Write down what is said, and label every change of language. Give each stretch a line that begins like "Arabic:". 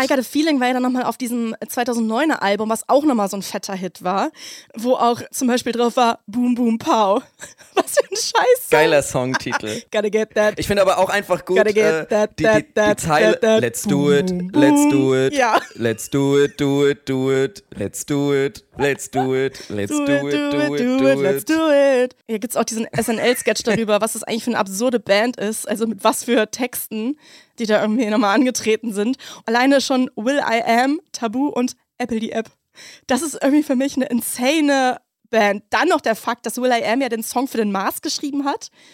German: I Got a Feeling war ja dann nochmal auf diesem 2009er Album, was auch nochmal so ein fetter Hit war, wo auch zum Beispiel drauf war Boom Boom Pow. Was für ein Scheiß. Geiler Songtitel.
English: Gotta get that.
German: Ich finde aber auch einfach gut, die Zeile,
English: let's do it, let's do it,
German: ja.
English: Let's do it, do it, do it, let's do it, let's do it, let's do it, do it, do it, let's do it.
German: Hier gibt es auch diesen SNL-Sketch darüber, was das eigentlich für eine absurde Band ist, also mit was für Texten, die da irgendwie nochmal angetreten sind. Alleine schon Will I Am, Tabu und Apple die App. Das ist irgendwie für mich eine insane Band. Dann noch der Fakt, dass Will I Am ja den Song für den Mars geschrieben hat.